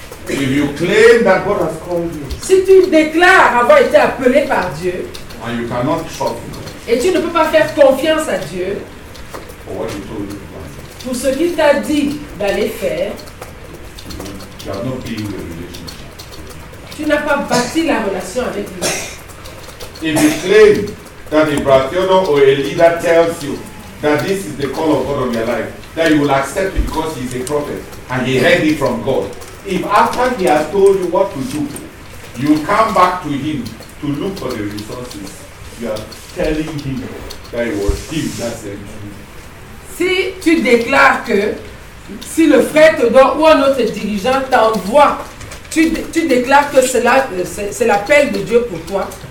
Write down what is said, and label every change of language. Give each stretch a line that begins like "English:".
English: If you claim that God has called you,
French: si tu déclares avoir été appelé par Dieu,
English: and you cannot trust him,
French: et tu ne peux pas faire confiance à Dieu,
English: for what you told you.
French: Pour ce qu'il t'a dit d'aller faire,
English: you have not been in the relationship.
French: Tu n'as pas bâti la relation avec lui.
English: If you claim that the brother or a leader tells you that this is the call of God on your life, that you will accept it because he is a prophet and he heard it from God. If after he has told you what to do, you come back to him to look for the resources, you are telling him that it was him that sent you.
French: Si tu déclares que si le frère te donne ou un autre dirigeant t'envoie, tu déclares que cela c'est l'appel de Dieu pour toi.